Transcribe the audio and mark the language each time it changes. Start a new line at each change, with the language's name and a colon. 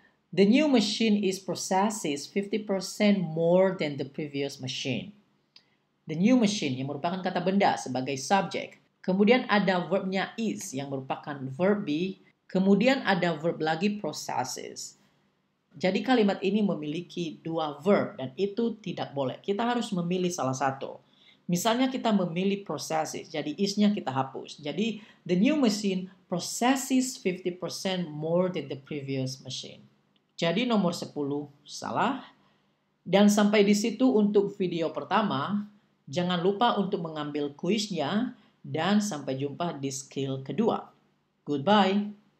English: The new machine is processes 50% more than the previous machine.
Indonesian: The new machine yang merupakan kata benda sebagai subjek. Kemudian ada verbnya is yang merupakan verb be. Kemudian ada verb lagi processes. Jadi kalimat ini memiliki dua verb dan itu tidak boleh. Kita harus memilih salah satu. Misalnya kita memilih processes, jadi is-nya kita hapus.
English: Jadi the new machine processes 50% more than the previous machine.
Indonesian: Jadi nomor 10 salah. Dan sampai di situ untuk video pertama, jangan lupa untuk mengambil kuisnya. Dan sampai jumpa di skill kedua. Goodbye.